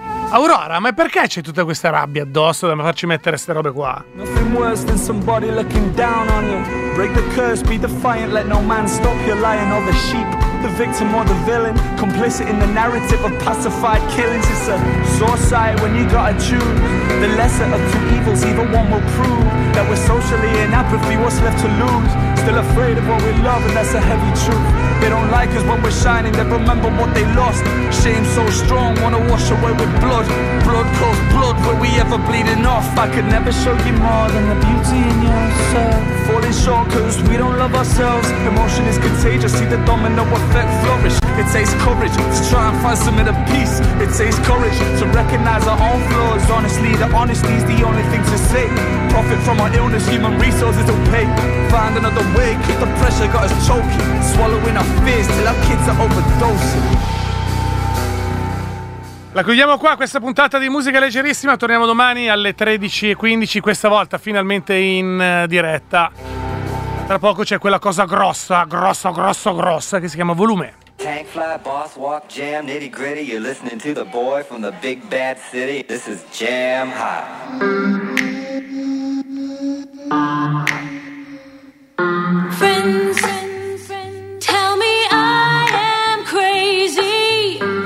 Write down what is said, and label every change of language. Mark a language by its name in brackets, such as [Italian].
[Italian] Aurora, ma perché c'è tutta questa rabbia addosso da farci mettere queste robe qua? [English] Nothing worse than somebody looking down on you. Break the curse, be defiant, let no man stop you. Lying or the sheep, the victim or the villain. Complicit in the narrative of pacified killings. It's a sore sight when you gotta choose. The lesser of two evils, either one will prove. That we're socially in apathy, what's left to lose? Still afraid of what we love and that's a heavy truth. They don't like us when we're shining, they remember what they lost. Shame so strong, wanna wash away with blood. Blood calls blood, were we ever bleeding off? I could never show you more than the beauty in yourself. Falling short cause we don't love ourselves. Emotion is contagious, see the domino effect flourish. It takes courage to try and find some inner peace. It takes courage to recognize our own flaws. Honestly, the honesty is the only thing to say. Profit from our illness, human resources don't pay. Find another way, cause the pressure got us choking. Swallowing our fears till our kids are overdosing. [Italian] La chiudiamo qua questa puntata di Musica Leggerissima. Torniamo domani alle 13.15, questa volta finalmente in diretta. Tra poco c'è quella cosa grossa, grossa, grossa, grossa, che si chiama Volume. [English] Tank fly, boss walk, jam, nitty gritty. You're listening to the boy from the big bad city. This is Jam High. Friends, tell me I am crazy.